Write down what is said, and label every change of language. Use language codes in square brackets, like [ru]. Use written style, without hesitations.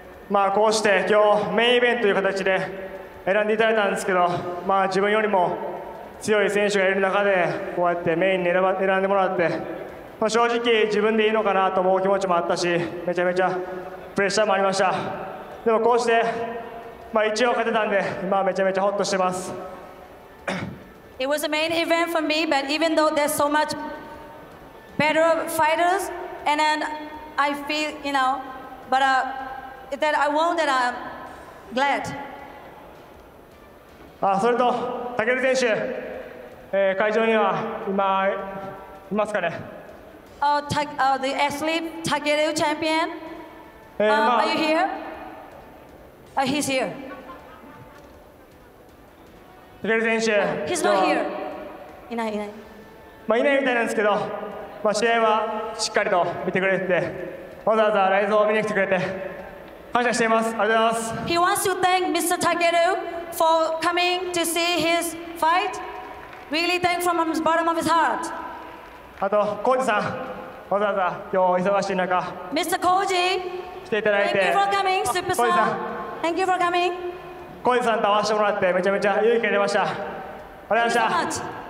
[ja] まあこうして今日メインイベントという形で選んでいただいたんですけど、まあ自分よりも強い選手がいる中でこうやってメインに選んでもらって、まあ、正直自分でいいのかなと思う気持ちもあったし、めちゃめちゃプレッシャーもありました。でもこうして、まあ、一応勝てたんで、まあ、めちゃめちゃホッとしてます。 [en] It was a main event for me, but even though there's so much better fighters and then I feel, you know, but that I won that I'm glad. [ja] それと武尊選手、会場には今いますかね。 [en] The athlete Takeru champion. Are you here? He's here. [ja] 武尊選手。 [en] He's not here. [ja] いない。まあいないみたいなんですけど、まあ試合はしっかりと見てくれて、わざわざライズを見に来てくれて感謝しています。ありがとうございます。 [en] He wants to thank Mr. Takeru for coming to see his fight. Really thank from the bottom of his heart. [ja] あと、コージさん、わざわざ今日忙しい中、 [en] Mr. Koji, [ja] 来ていただいて、 [en] Thank you for coming, Superstar. Thank you for coming. [ja] コージさんと会わせてもらってめちゃめちゃ勇気が出ました。ありがとうございました。